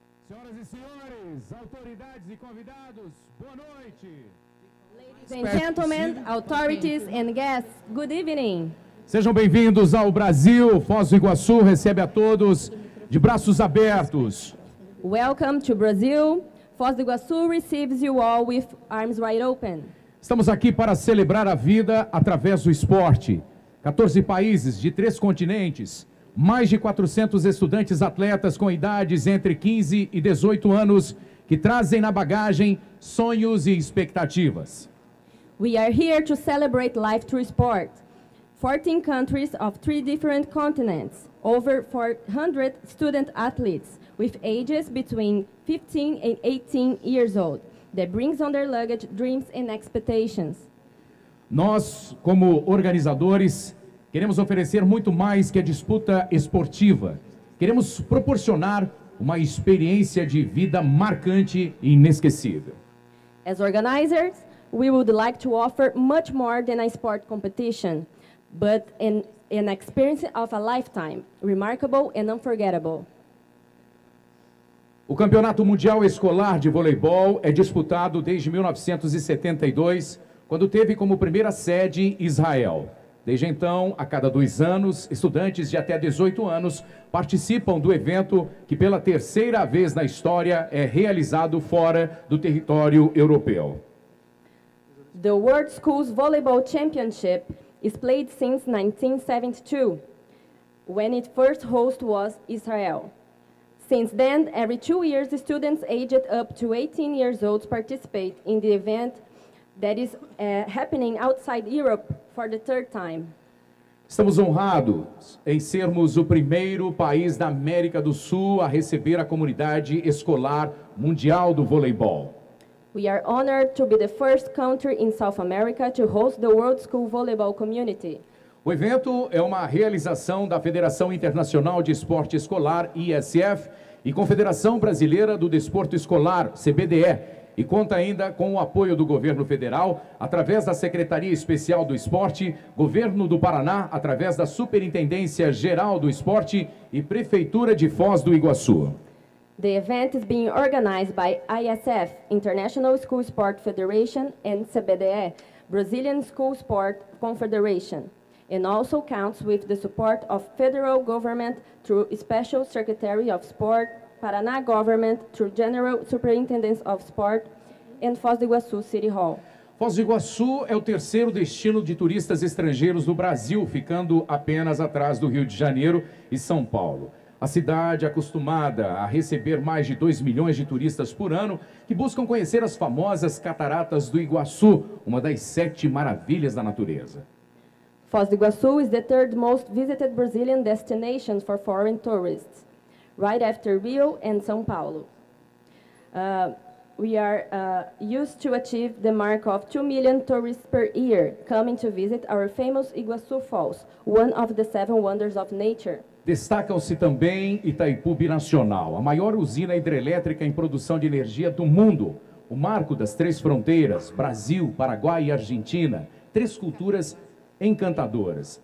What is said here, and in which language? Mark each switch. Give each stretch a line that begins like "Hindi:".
English: Ladies and gentlemen, authorities and guests, good evening.
Portuguese: Sejam bem-vindos ao Brasil. Foz do Iguaçu recebe a todos de braços abertos.
English: Welcome to Brazil. Foz do Iguaçu receives you all with arms wide open.
Portuguese: Estamos aqui para celebrar a vida através do esporte. 14 países de 3 continentes. Mais de 400 estudantes atletas com idades entre 15 e 18 anos que trazem na bagagem sonhos e expectativas.
English: We are here to celebrate life through sport. 14 countries of 3 different continents, over 400 student athletes with ages between 15 and 18 years old that brings on their luggage dreams and expectations.
Portuguese: Nós, como organizadores, queremos oferecer muito mais que a disputa esportiva. Queremos proporcionar uma experiência de vida marcante e inesquecível.
English: As organizers, we would like to offer much more than a sport competition, but an experience of a lifetime, remarkable and unforgettable.
Portuguese: O Campeonato Mundial Escolar de Voleibol é disputado desde 1972, quando teve como primeira sede Israel. Desde então, a cada 2 anos, estudantes de até 18 anos participam do evento que pela terceira vez na história é realizado fora do território europeu.
English: The World Schools Volleyball Championship is played since 1972, when it first host was Israel. Since then, every 2 years, students aged up to 18 years old participate in the event that is happening outside Europe for the third time.
Portuguese: Estamos honrados em sermos o primeiro país da América do Sul a receber a comunidade escolar mundial do voleibol.
English: We are honored to be the first country in South America to host the World School Volleyball Community.
Portuguese: O evento é uma realização da Federação Internacional de Esporte Escolar, ISF, e Confederação Brasileira do Desporto Escolar, CBDE, e conta ainda com o apoio do governo federal, através da Secretaria Especial do Esporte, governo do Paraná, através da Superintendência Geral do Esporte e Prefeitura de Foz do Iguaçu.
English: The event is being organized by ISF, International School Sport Federation, and CBDE, Brazilian School Sport Confederation, and also counts with the support of federal government through Special Secretary of Sport, Paraná government through General Superintendent of Sport, and Foz do Iguaçu City Hall.
Portuguese: Foz do Iguaçu é o terceiro destino de turistas estrangeiros do Brasil, ficando apenas atrás do Rio de Janeiro e São Paulo. A cidade, acostumada a receber mais de 2 milhões de turistas por ano, que buscam conhecer as famosas Cataratas do Iguaçu, uma das sete maravilhas da natureza.
English: Foz do Iguaçu is the third most visited Brazilian destination for foreign tourists, right after Rio and São Paulo. We are used to achieve the mark of 2 million tourists per year coming to visit our famous Iguaçu Falls, one of the seven wonders of nature.
Portuguese: Destacam-se também Itaipu Binacional, a maior usina hidrelétrica em produção de energia do mundo. O marco das três fronteiras, Brasil, Paraguai e Argentina, três culturas encantadoras.